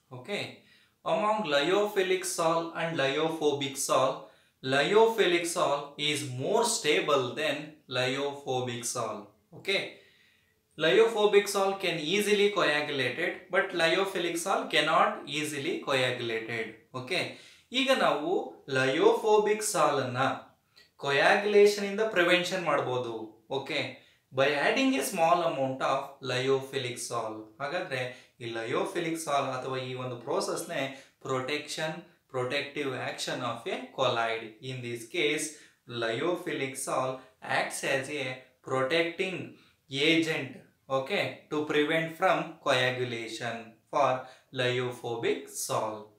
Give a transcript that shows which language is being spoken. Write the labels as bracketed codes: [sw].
[en] Okay, among lyophilic salt and lyophobic salt, lyophilic salt is more stable than lyophobic salt. Okay, lyophobic salt can easily coagulate it, but lyophilic salt cannot easily coagulate it. [kn] Okay, ಈಗ ನಾವು lyophobic salt ಅನ್ನು coagulation ಇಂದ prevention ಮಾಡಬಹುದು. [en] Okay, by adding a small amount of lyophilic salt. [kn] ಹಾಗಾದ್ರೆ ಈ [en] lyophilic salt [kn] ಅಥವಾ ಈ ಒಂದು [en] process ನೇ protection, protective action of a colloid. In this case, lyophilic salt acts as a protecting agent, okay, to prevent from coagulation for lyophobic salt.